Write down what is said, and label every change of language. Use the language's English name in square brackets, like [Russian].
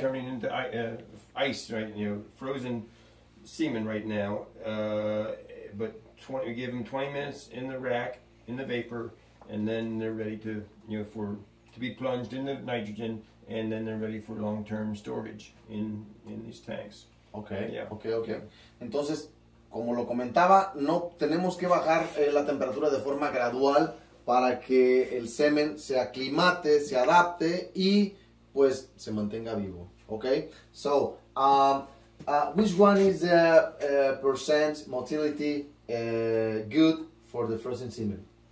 [English] Turning into ice, right? You know, frozen semen right now. But give them 20 minutes in the rack in the vapor, and then they're ready to to be plunged in the nitrogen, and then they're ready for long term storage in these tanks. Okay. Yeah. Okay. Okay. Entonces. [Spanish] Como lo comentaba, no tenemos que bajar la temperatura de forma gradual para que el semen se aclimate, se adapte y pues se mantenga vivo, ¿okay? [English] So, which one is the percent motility good for the frozen semen?